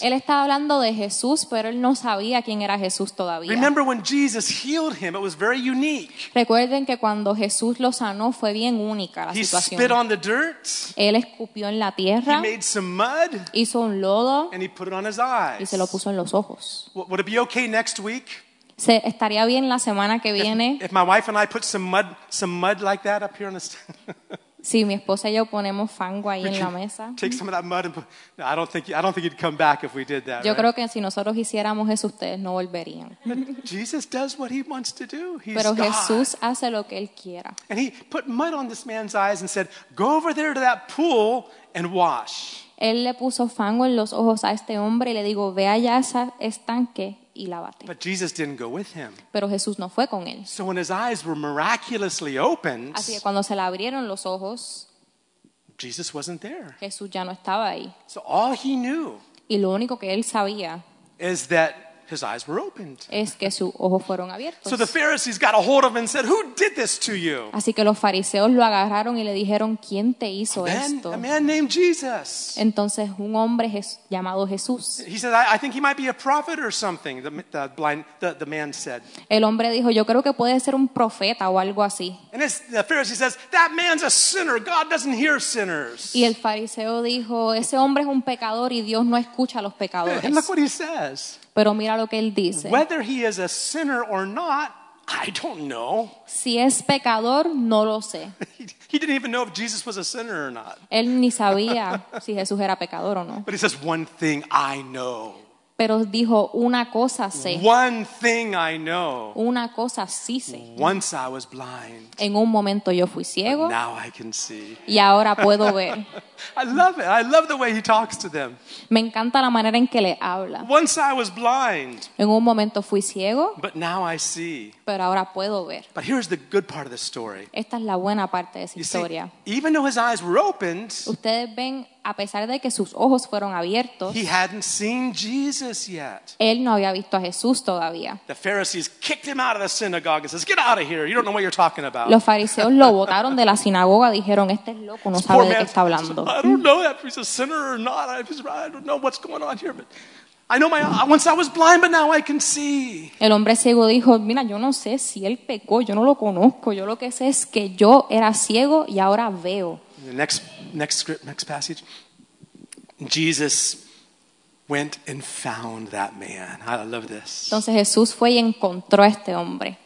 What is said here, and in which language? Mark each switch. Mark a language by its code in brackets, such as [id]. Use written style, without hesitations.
[es] Él estaba hablando de Jesús, pero él no sabía quién era Jesús todavía. [en] Remember when Jesus healed him, it was very unique. [es] Recuerden que cuando Jesús lo sanó, fue bien única la situación. [en] He spit on the dirt. [es] Él escupió en la tierra. [en] He made some mud. [es] Hizo un lodo. [en] And he put it on his eyes. [es] Y se lo puso en los ojos. [en] Would it be okay next week? [es] ¿Estaría bien la semana que viene? [en] If my wife and I put some mud like that up here on the stage. [es] Sí, mi esposa y yo ponemos fango ahí en la mesa. [en] Take some of that mud and put, no, I don't think you'd come back if we did that. [es] Yo [en] right? [es] creo que si nosotros hiciéramos eso, ustedes no volverían. [en] But Jesus does what he wants to do. He's [es] Pero Jesús [en] God. [es] Hace lo que él quiera. [en] And he put mud on this man's eyes and said, "Go over there to that pool and wash." [es] Él le puso fango en los ojos a este hombre y le dijo, "Ve allá a ese estanque." [en] But Jesus didn't go with him. [es] Pero Jesús no fue con él. [en] So when his eyes were miraculously opened, [es] así que cuando se le abrieron los ojos, [en] Jesus wasn't there. [es] Jesús ya no estaba ahí. [en] So all he knew, [es] y lo único que él sabía, [en] is that his eyes were opened. [es] Es que sus ojos fueron abiertos. [en] So the Pharisees got a hold of him and said, "Who did this to you?" [es] Así que los fariseos lo agarraron y le dijeron, "¿Quién te hizo esto?" [en] A man named Jesus. [es] Entonces un hombre llamado Jesús. [en] He said, "I think he might be a prophet or something." The man said. [es] El hombre dijo, "Yo creo que puede ser un profeta o algo así." [en] And the Pharisee says, "That man's a sinner. God doesn't hear sinners." [es] Y el fariseo dijo, "Ese hombre es un pecador y Dios no escucha a los pecadores." [en] And look what he says. [es] Pero mira lo que él dice. [en] Whether he is a sinner or not, I don't know. [es] Si es pecador, no lo sé. [en] He didn't even know if Jesus was a sinner or not. [es] Él ni sabía si Jesús era pecador o no. [en] But he says, one thing I know. [es] Pero dijo, una cosa sé. [en] One thing I know. [es] Una cosa sí sé. [en] Once I was blind. [es] En un momento yo fui ciego. [en] But now I can see. [es] Y ahora puedo ver. [en] I love it. I love the way he talks to them. [es] Me encanta la manera en que le habla. [en] Once I was blind. [es] En un momento fui ciego. [en] But now I see. [es] Pero ahora puedo ver. [en] But here's the good part of the story. [es] Esta es la buena parte de esa historia. [en] See, even though his eyes were opened. [es] Ustedes ven, a pesar de que sus ojos fueron abiertos. [en] He hadn't seen Jesus yet. [es] Él no había visto a Jesús todavía. [en] The Pharisees kicked him out of the synagogue and says, "Get out of here. You don't know what you're talking about." [es] Los fariseos lo botaron de la sinagoga, dijeron, "Este es loco, no sabe de qué está hablando." [en] I don't know if he's a sinner or not. I don't know what's going on here, but I know once I was blind, but now I can see. [es] El hombre ciego dijo, "Mira, yo no sé si él pecó, yo no lo conozco. Yo lo que sé es que yo era ciego y ahora veo." [en] The next passage. Jesus went and found that man. I love this. [es] Entonces Jesús fue y encontró a este hombre.